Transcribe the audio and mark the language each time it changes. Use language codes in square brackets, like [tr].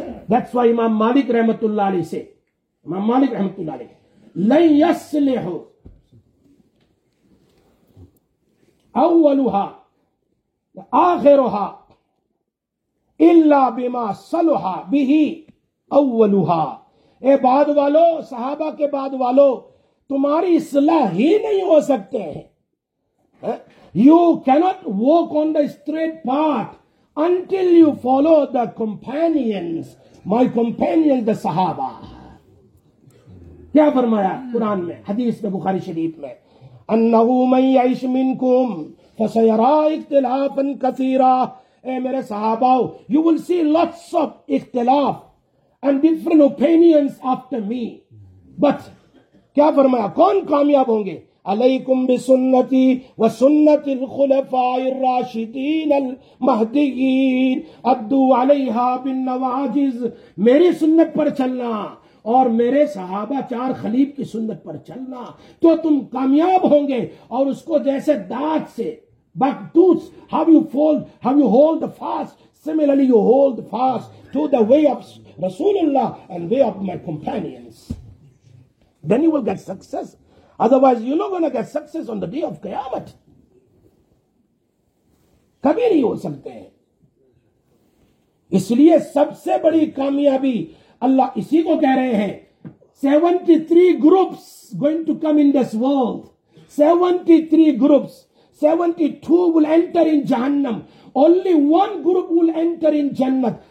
[en] That's why [ur] امام مالک رحمت اللہ علیہ سے, امام مالک رحمت اللہ علیہ, [ar] لن یصلح اولها آخرها الا بما صلح به اولها. [ur] اے بعد والو, صحابہ کے بعد والو, تمہاری اصلاح ہی نہیں ہو سکتے ہیں. [en] You can't walk on the straight path until you follow the companions, my companion the صحابہ. [ur] کیا فرمایا قرآن میں, حدیث میں, بخاری شریف میں, [ar] انہ من یعش منکم فسیرا اختلافا کثیرا. [ur] اے میرے صحابہ, [en] You will see lots of اختلاف and different opinions after me. But [ur] کیا فرمایا, کون کامیاب ہوں گے؟ [ar] علیکم بسنتی و سنت الخلفاء الراشدین المہدیین ادو علیہا بالنواجز. [ur] میری سنت پر چلنا اور میرے صحابہ چار خلیف کی سنت پر چلنا تو تم کامیاب ہوں گے. اور اس کو جیسے دانت سے [en] Back tooth, how you fold, how you hold fast, similarly you hold fast to the way of رسول اللہ and way of my companions, then you will get success. Otherwise you no gonna get success on the day of قیامت. [ur] کبھی نہیں ہو سکتے. اس لیے سب سے بڑی کامیابی اللہ اسی کو کہہ رہے ہیں, [en] 73 groups going to come in this world, 73 groups, 72 will enter in جہنم, only one group will enter in جنت.